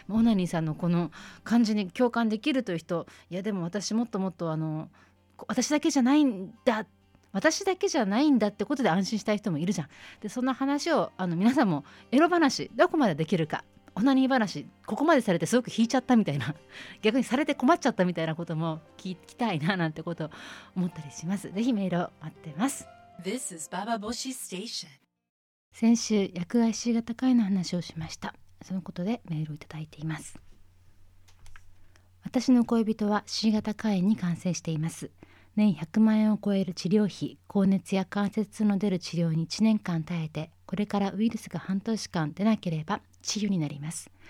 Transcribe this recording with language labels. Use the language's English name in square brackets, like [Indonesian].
[Japanese] オナニーさんのこの感じに共感できるという人、いやでも私もっともっとあの私だけじゃないんだ、私だけじゃないんだってことで安心したい人もいるじゃん。でそんな話をあの皆さんもエロ話どこまでできるか、オナニー話ここまでされてすごく引いちゃったみたいな、逆にされて困っちゃったみたいなことも聞きたいななんてこと思ったりします。ぜひメールを待ってます。 [English] This is Baba Boshi Station. [Japanese] 先週薬害死が高いの話をしました。そのことでメールをいただいています。私の恋人は C 型肝炎に感染しています。年100万円を超える治療費、高熱や関節痛の出る治療に1年間耐えて、これからウイルスが半年間出なければ治癒になります。